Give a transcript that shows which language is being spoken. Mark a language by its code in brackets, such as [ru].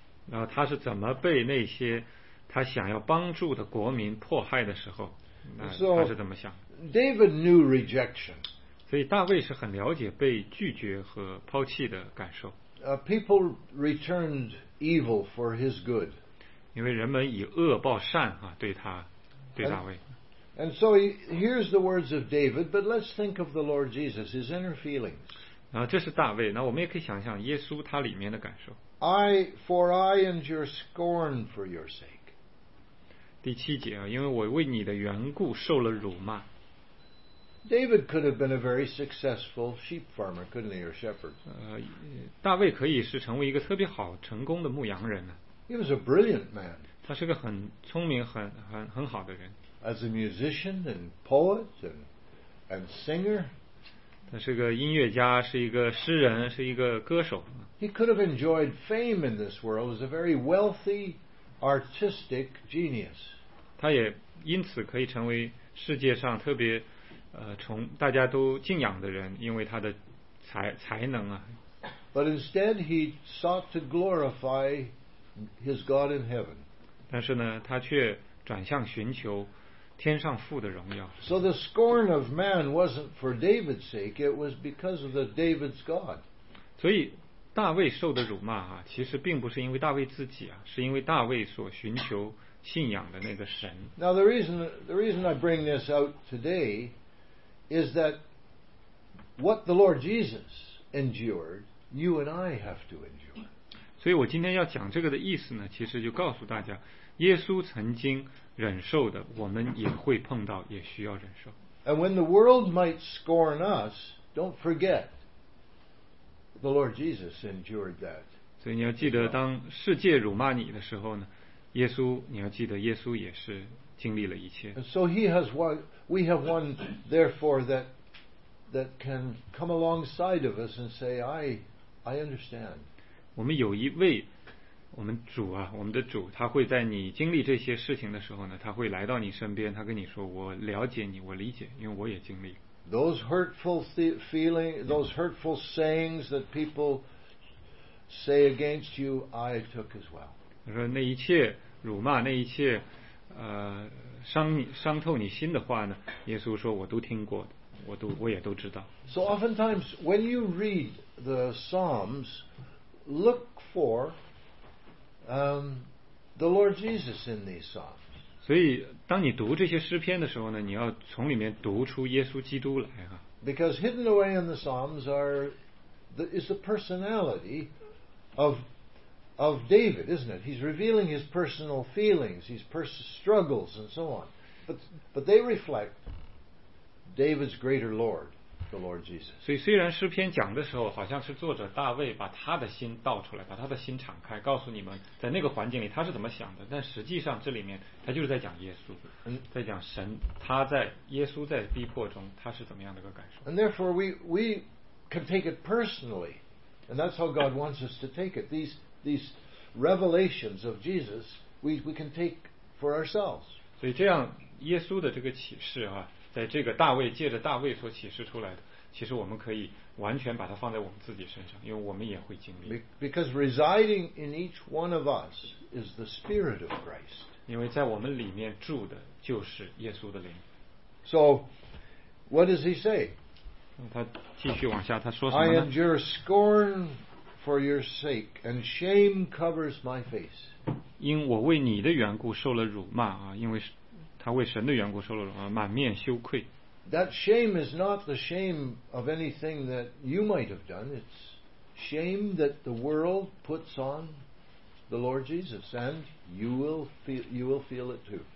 [zh] 然后他是怎么被那些他想要帮助的国民迫害的时候，他是怎么想 [en] ？David knew rejection. [zh] 所以大卫是很了解被拒绝和抛弃的感受。 [en] People returned evil for his good. [zh] 因为人们以恶报善啊，对他，对大卫。 [en] And so here's the words of David, but let's think of the Lord Jesus, his inner feelings. [zh] 然后这是大卫，那我们也可以想象耶稣他里面的感受。 [en] I endure scorn for your sake. [zh] 第七节啊，因为我为你的缘故受了辱骂。 [en] David could have been a very successful sheep farmer, couldn't he, or shepherd? [zh] 大卫可以是成为一个特别好成功的牧羊人呢。 [en] He was a brilliant man. [zh] 他是个很聪明、很好的人。 [en] As a musician and poet and singer. [zh] 他是个音乐家，是一个诗人，是一个歌手。 [en] He could have enjoyed fame in this world as a very wealthy artistic genius. [zh] 他也因此可以成为世界上特别从大家都敬仰的人，因为他的 才能啊。 [en] But instead he sought to glorify his God in heaven. [zh] 但是呢，他却转向寻求天上父的荣耀。 [en] So the scorn of man wasn't for David's sake, it was because of David's God. [zh] 所以大卫受的辱骂啊，其实并不是因为大卫自己啊，是因为大卫所寻求信仰的那个神。 [en] Now the reason I bring this out today. Is that what the Lord Jesus endured, you and I have to endure. [zh] 所以我今天要讲这个的意思呢，其实就告诉大家，耶稣曾经忍受的，我们也会碰到，也需要忍受。 [en] And when the world might scorn us, don't forget, the Lord Jesus endured that. [zh] 所以你要记得，当世界辱骂你的时候呢，耶稣，你要记得，耶稣也是。经历了一切。 [en] So he has one, we have one therefore that can come alongside of us and say, I understand. [zh] 我们有一位我们主啊，我们的主，他会在你经历这些事情的时候呢，他会来到你身边，他跟你说，我了解你，我理解，因为我也经历。 [en] Those hurtful feeling, those hurtful sayings that people say against you, I took as well. [zh] 他说那一切辱骂，那一切。伤透你心的话呢，耶稣说我都听过，我也都知道。 [en] So oftentimes when you read the Psalms, look for the Lord Jesus in these Psalms. [zh] 所以当你读这些诗篇的时候呢，你要从里面读出耶稣基督来啊。 [en] Because hidden away in the Psalms is the personality of David, isn't it? He's revealing his personal feelings, his personal struggles, and so on. But they reflect David's greater Lord, the Lord Jesus. [zh] 所以虽然诗篇讲的时候，好像是作者大卫把他的心倒出来，把他的心敞开，告诉你们在那个环境里他是怎么想的。但实际上这里面他就是在讲耶稣，在讲神，他在耶稣在逼迫中他是怎么样的一个感受。 [en] And therefore we can take it personally, and that's how God wants us to take it. These revelations of Jesus, we can take for ourselves. [zh] 所以这样，耶稣的这个启示啊，在这个大卫借着大卫所启示出来的，其实我们可以完全把它放在我们自己身上，因为我们也会经历。 [en] Because residing in each one of us is the Spirit of Christ. [zh] 因为在我们里面住的就是耶稣的灵。 [en] So, what does he say? [zh] 他继续往下，他说什么呢？ [en] I endure scorn. For your sake, and shame covers my face. [zh] 因我为你的缘故受了辱骂啊，因为他为神的缘故受了辱骂，满面羞愧。 [en] That shame is not the shame of anything that you might have done. It's shame that the world puts on the Lord Jesus, and you will feel it too.